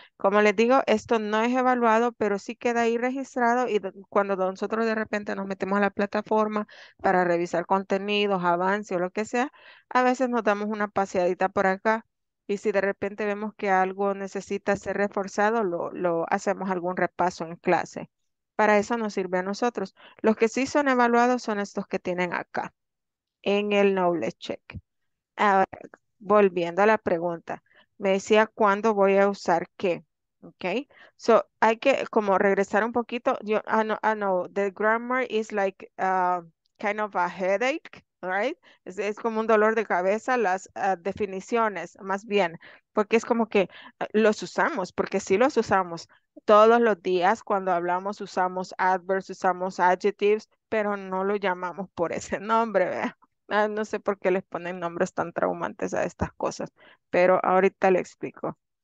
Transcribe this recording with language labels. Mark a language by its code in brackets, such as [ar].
[es] Como les digo, esto no es evaluado, pero sí queda ahí registrado y cuando nosotros de repente nos metemos a la plataforma para revisar contenidos, avance o lo que sea, a veces nos damos una paseadita por acá y si de repente vemos que algo necesita ser reforzado, lo hacemos algún repaso en clase. Para eso nos sirve a nosotros. Los que sí son evaluados son estos que tienen acá. En el knowledge check. Ahora, volviendo a la pregunta, me decía cuándo voy a usar qué. Ok. So, hay que como regresar un poquito. [en] I know, the grammar is like kind of a headache, right? [es] Es como un dolor de cabeza, las definiciones, más bien, porque es como que los usamos, porque sí los usamos. Todos los días cuando hablamos, usamos adverbs, usamos adjectives, pero no lo llamamos por ese nombre, ¿verdad? No sé por qué les ponen nombres tan traumantes a estas cosas, pero ahorita le explico.